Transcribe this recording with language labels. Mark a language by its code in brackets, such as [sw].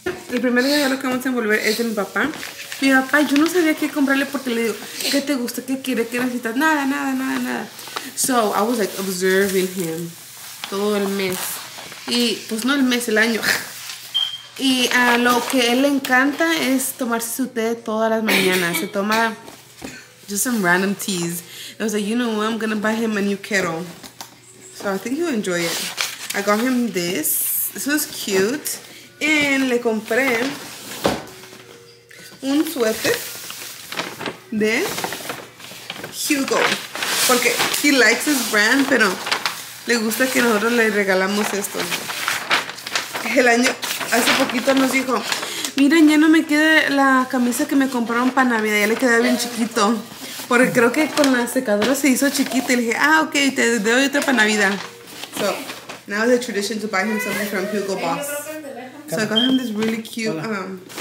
[es] El primer regalo que vamos a envolver es de mi papá. Mi papá, yo no sabía qué comprarle porque le digo, ¿qué te gusta? ¿Qué quiere? ¿Qué necesitas? Nada, nada, nada, nada. [en] So, I was like observing him [es] todo el mes. Y, pues no el mes, el año. Y lo que él le encanta es tomarse su té todas las mañanas. Se toma [en] just some random teas. I was like, you know what? I'm gonna buy him a new kettle. So I think he'll enjoy it. I got him this. This was cute. [es] And le compré un suéter de Hugo. Porque [en] he likes his brand, [es] pero le gusta que nosotros le regalamos esto. El año, hace poquito nos dijo, miren, ya no me queda la camisa que me compraron para Navidad, ya le queda bien chiquito. Porque creo que con la secadora se hizo chiquita y le dije, ah, ok, te doy otra para Navidad. [en] So, now is the tradition to buy him something from Hugo Boss. So I got him this really cute, wow.